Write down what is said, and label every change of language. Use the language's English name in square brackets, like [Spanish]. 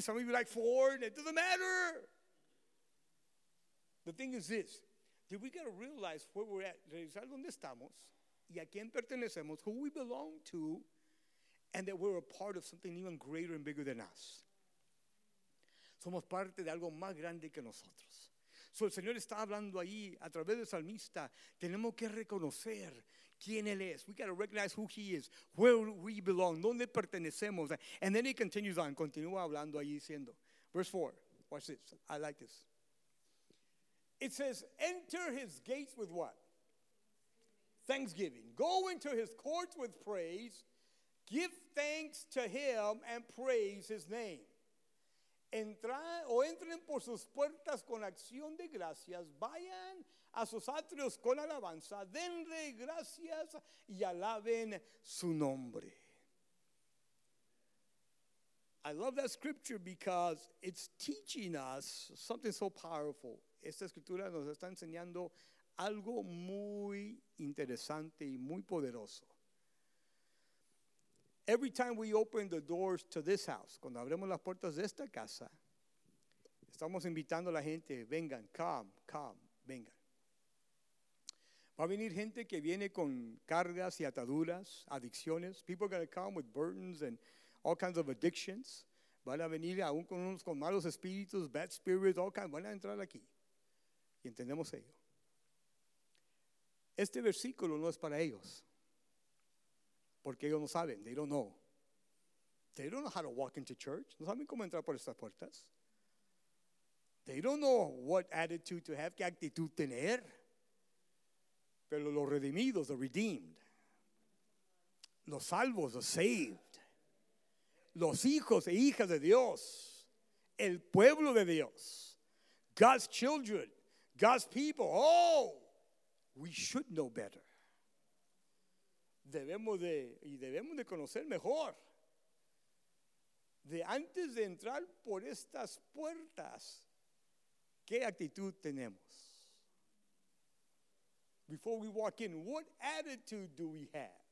[English] Some of you like Ford. It doesn't matter. The thing is this. Did we got to realize where we're at? [Spanish] Realizar dónde estamos. Y a quién pertenecemos. [English] Who we belong to. And that we're a part of something even greater and bigger than us. [Spanish] Somos parte de algo más grande que nosotros. So el Señor está hablando ahí a través del salmista. Tenemos que reconocer quién Él es. [English] We got to recognize who He is, where we belong, [Spanish] donde pertenecemos. [English] And then He continues on, [Spanish] continúa hablando ahí diciendo. [English] Verse 4, watch this, I like this. It says, enter His gates with what? Thanksgiving. Go into His courts with praise. Give thanks to Him and praise His name. [Spanish] Entren por sus puertas con acción de gracias, vayan a sus atrios con alabanza, denle gracias y alaben su nombre. [English] I love that scripture because it's teaching us something so powerful. [Spanish] Esta escritura nos está enseñando algo muy interesante y muy poderoso. [English] Every time we open the doors to this house, [Spanish] cuando abrimos las puertas de esta casa, estamos invitando a la gente, vengan, come, vengan. Va a venir gente que viene con cargas y ataduras, adicciones. [English] People are going to come with burdens and all kinds of addictions. [Spanish] Van a venir aún con unos con malos espíritus, [English] bad spirits, all kinds. [Spanish] Van a entrar aquí. Y entendemos ello. Este versículo no es para ellos. Porque ellos no saben, [English] they don't know. They don't know how to walk into church. [Spanish] No saben cómo entrar por estas puertas. [English] They don't know what attitude to have, [Spanish] qué actitud tener. Pero los redimidos, [English] the redeemed. [Spanish] Los salvos, [English] the saved. [Spanish] Los hijos e hijas de Dios. El pueblo de Dios. [English] God's children, God's people. Oh, we should know better. [Spanish] Debemos de conocer mejor. De antes de entrar por estas puertas, ¿qué actitud tenemos? [English] Before we walk in, what attitude do we have?